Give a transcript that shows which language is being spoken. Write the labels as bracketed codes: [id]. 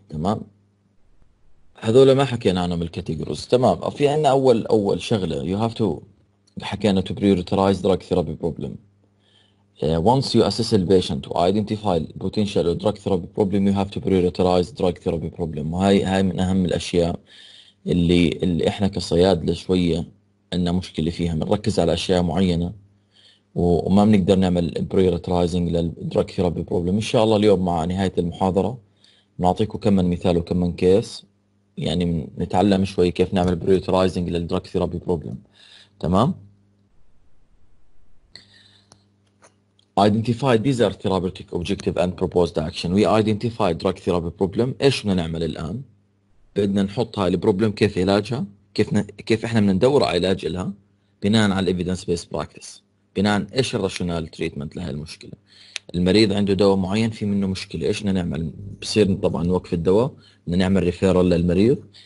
[ar] تمام، هذول ما حكينا عنهم الكاتيجوريز. تمام، في عندنا اول شغله [en] You have to حكينا to prioritize drug therapy problem. Once you assess the patient to identify potential drug therapy problem, you have to prioritize drug therapy problem. [ar] وهي من أهم الأشياء اللي إحنا كصيادلة شوية عندنا مشكلة فيها، بنركز على أشياء معينة وما بنقدر نعمل prioritizing للدراج ثيرابي problem. إن شاء الله اليوم مع نهاية المحاضرة بنعطيكم كم من مثال وكم من كيس، يعني نتعلم شوي كيف نعمل prioritizing للدراج ثيرابي problem. [en] تمام؟ Identify these are therapeutic objective and proposed action. We identify drug therapy problem. [ar] إيش بدنا نعمل الآن؟ بدنا نحط هاي البروبلم، كيف علاجها؟ كيف إحنا بدنا ندور على علاج لها؟ بناء على evidence based practice. بناء إيش الراشونال تريتمنت لهي المشكلة؟ المريض عنده دواء معين في منه مشكلة، إيش بدنا نعمل؟ بصير طبعاً نوقف الدواء، بدنا نعمل ريفيرال للمريض.